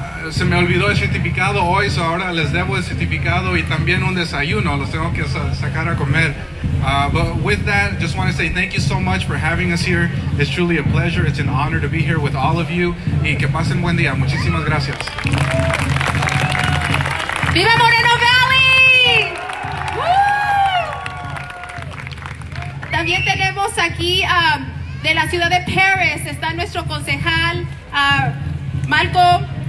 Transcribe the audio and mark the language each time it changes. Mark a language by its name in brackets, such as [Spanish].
[Spanish] Se me olvidó el certificado hoy, so ahora les debo el certificado y también un desayuno, los tengo que sacar a comer. [English] But with that, just want to say thank you so much for having us here. It's truly a pleasure, it's an honor to be here with all of you. [Spanish] Y que pasen buen día, muchísimas gracias. ¡Viva Moreno Valley! ¡Woo! También tenemos aquí de la ciudad de Paris, está nuestro concejal Marco.